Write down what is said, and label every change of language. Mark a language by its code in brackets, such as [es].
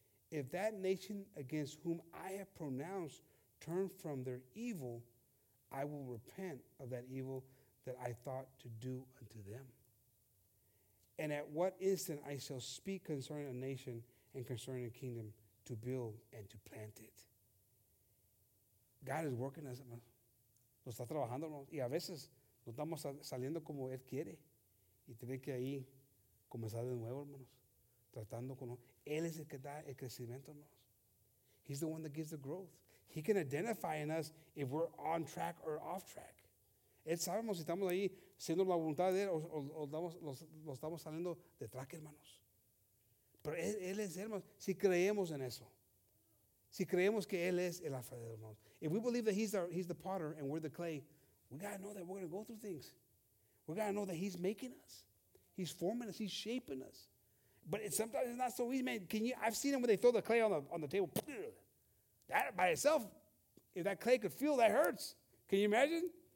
[en] If that nation against whom I have pronounced turn from their evil, I will repent of that evil that I thought to do unto them. And at what instant I shall speak concerning a nation and concerning a kingdom to build and to plant it. God is working us. [es] Nos está trabajando. Y a veces no estamos saliendo como Él quiere. Y tener que ahí comenzar de nuevo, hermanos. Tratando con Él es el que da el crecimiento, hermanos. [en] He's the one that gives the growth. He can identify in us if we're on track or off track. [es] Él sabemos si estamos ahí siendo la voluntad de Él o lo estamos saliendo de track, hermanos. Pero Él es, hermanos, si creemos en eso. Si creemos que Él es el alfarero, hermanos. [en] If we believe that he's the potter and we're the clay, we got to know that we're going to go through things. We got to know that he's making us. He's forming us. He's shaping us. But sometimes it's not so easy, man. I've seen him when they throw the clay on the table. That by itself, if that clay could feel, that hurts. Can you imagine?